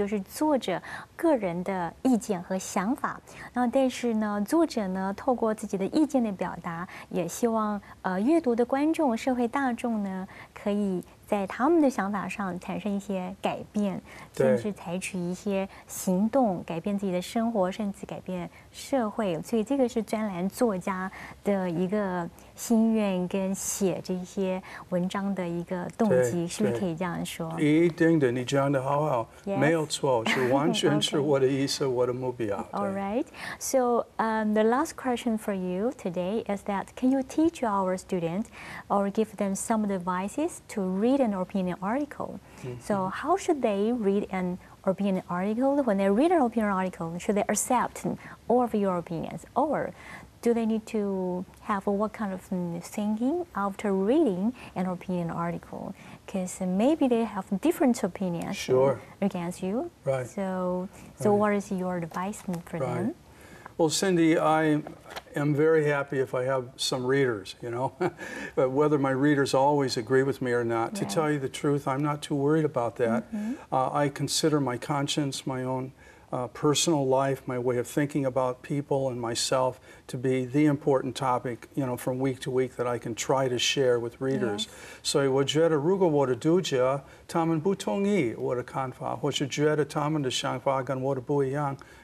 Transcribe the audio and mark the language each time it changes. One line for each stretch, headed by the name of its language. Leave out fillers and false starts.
Chinese: 所以在社论或者在专栏当中要表达的其实就是作者个人的意见和想法, 但是呢作者呢透过自己的意见的表达, 也希望阅读的观众社会大众呢, 可以 在他们的想法上产生一些改变, 甚至采取一些行动, 改变自己的生活, 甚至改变社会, 所以这个是专栏作家的一个心愿跟写这些文章的一个动机, 是不是可以这样说? 一定的,你讲得好好, 没有错, 是完全是我的意思, 我的目标,
English: Alright, so the last question for you today is that, can you teach our students or give them some advices to read an opinion article? So how should they read an opinion article? When they read an opinion article, should they accept all of your opinions? Or do they need to have what kind of thinking after reading an opinion article? Because maybe they have different opinions against you. Right. So what is your advice for them? Well, Cindy, I am very happy if I have some readers, you know, but whether my readers always agree with me or not, to tell you the truth, I'm not too worried about that. I consider my conscience, my own personal life, my way of thinking about people and myself to be the important topic, you know, from week to week that I can try to share with readers.
Chinese: So, 我觉得如果我的读者他们不同意我的看法，或是觉得他们的想法跟我的不一样。